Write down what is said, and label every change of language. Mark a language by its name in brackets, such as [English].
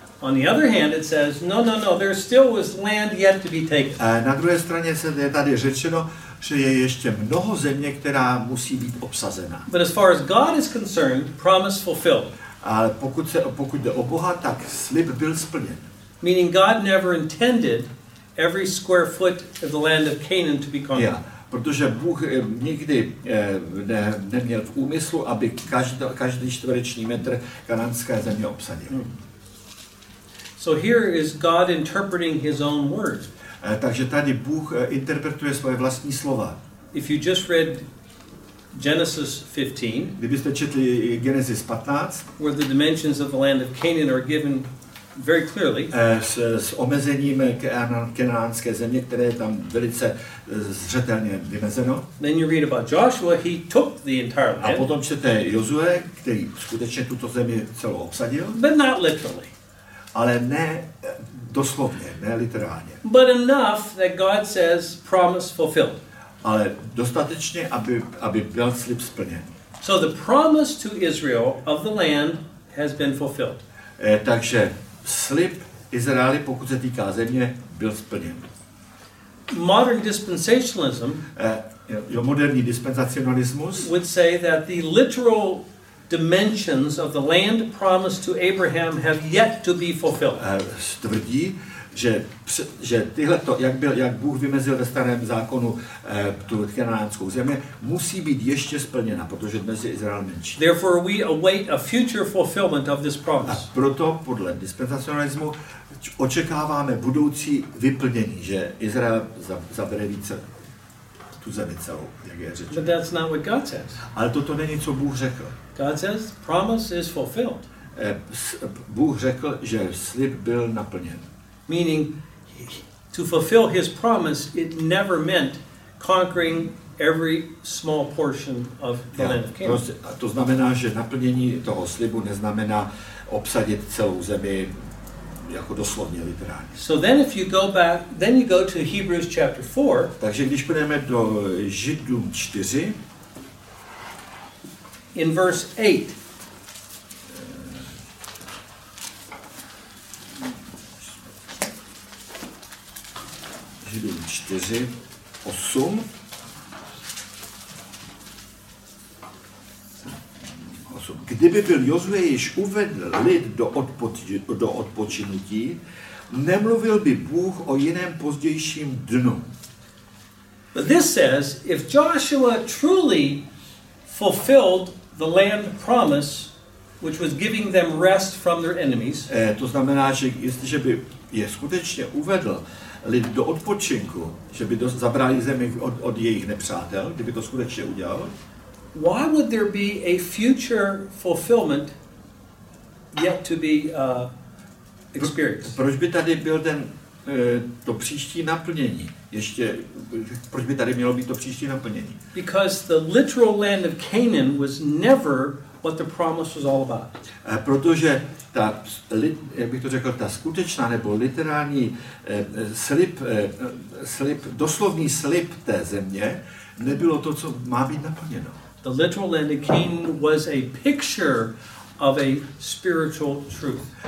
[English] On the other hand it says no, there still was land yet to be taken. [Czech] A na druhé straně se je tady řečeno, že je ještě mnoho země, která musí být obsazena. [English] But as far as God is concerned, promise fulfilled. [Czech] Ale pokud jde o Boha, tak slib byl splněn. [English] Meaning God never intended every square foot of the land of Canaan to be conquered. [Czech] Yeah, protože Bůh nikdy neměl v úmyslu, aby každý čtvereční metr kanánské země obsadil. [English] So here is God interpreting his own words. [Czech] Takže tady Bůh interpretuje svoje vlastní slova. [English] If you just read Genesis 15, [Czech] kdybyste četli Genesis 15, [English] where the dimensions of the land of Canaan are given very clearly. [Czech] S omezením kanánské země, které je tam velice zřetelně vymezeno. [English] Then you read about Joshua, he took the entire land. [Czech] A potom čtete Josué, který skutečně tuto zemi celou obsadil. [English] But not literally. [Czech] Ale ne doslovně, ne literálně. [English] But enough that God says promise fulfilled. [Czech] Ale dostatečně, aby byl slib splněn. [English] So the promise to Israel of the land has been fulfilled. [Czech] Takže slib Izraeli, pokud se týká země, byl splněn. [English] Modern dispensationalism, [Czech] jo, moderní dispensacionalismus, [English] would say that the literal dimensions of the land promised to Abraham have yet to be fulfilled. [Czech] Tvrdí, že tyhle to, jak Bůh vymezil ve starém zákonu tu kanaánskou zemi, musí být ještě splněna, protože dnes je Izrael menší. [English] Therefore we await a future fulfillment of this promise. [Czech] A proto podle dispensacionalismu očekáváme budoucí vyplnění, že Izrael zabere více tu zemi celou, jak je řečeno. [English] But that's not what God says. [Czech] Ale toto není, co Bůh řekl. [English] God says promise is fulfilled. [Czech] Bůh řekl, že slib byl naplněn. [English] Meaning to fulfill his promise, it never meant conquering every small portion of the land of Canaan. [Czech] A to znamená, že naplnění toho slibu neznamená obsadit celou zemi jako doslovně literálně. [English] So then if you go back, then you go to Hebrews chapter 4. [Czech] Takže když půjdeme do Židům 4, [English] in verse 8. [Czech] Židům 4, 8. Kdyby byl Josué již uvedl lid do odpočinutí, nemluvil by Bůh o jiném pozdějším dnu. [English] But this says, if Joshua truly fulfilled the land promise, which was giving them rest from their enemies. [Czech] To znamená, že jestliže by je skutečně uvedl lid do odpočinku, že by zabrali zemi od jejich nepřátel, kdyby to skutečně udělal. [English] Why would there be a future fulfillment yet to be experienced? [Czech] Proč by tady byl ten to příští naplnění? Ještě, proč by tady mělo být to příští naplnění? [English] Because the literal land of Canaan was never what the promise was all about. [Czech] Protože ta, jak bych to řekl, ta skutečná nebo literální slib, doslovný slib té země, nebylo to, co má být naplněno. [English] The literal land of Canaan was a picture of a spiritual truth.